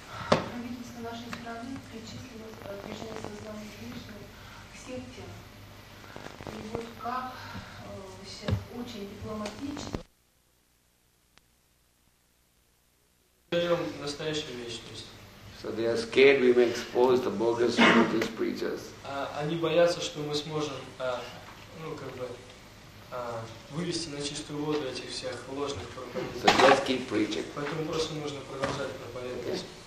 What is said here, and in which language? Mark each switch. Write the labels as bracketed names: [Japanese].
[Russian] Правительство нашей страны причислило движение сознания Кришны к секте. И вот как сейчас очень дипломатично. Даем настоящую вечность. [English] So they are scared we may expose the bogus religious preachers. [Russian] Они боятся, что мы сможем, ну как бы, вывести на чистую воду этих всех ложных проповедей. [English] So just keep preaching. [Russian] Поэтому просто нужно продолжать проповедовать.